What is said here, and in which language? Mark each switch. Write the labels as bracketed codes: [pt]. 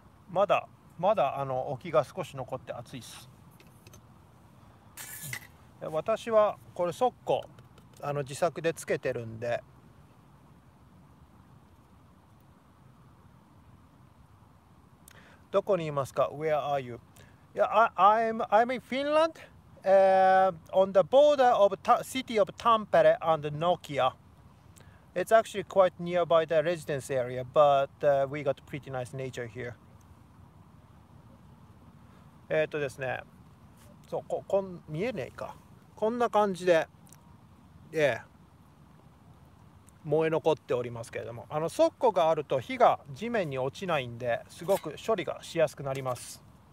[ja] まだあの沖が少し残って暑いっす。私はこれ速攻あの自作でつけてるんで、どこにいますか？ [en] Where are you? Yeah, I'm in Finland, on the border of city of Tampere and Nokia. It's actually quite nearby the residence area, but we got pretty nice nature here. [ja] ですね、そう、こん見えねえか、こんな感じで、燃え残っておりますけれども、あの側溝があると火が地面に落ちないんで、すごく処理がしやすくなります。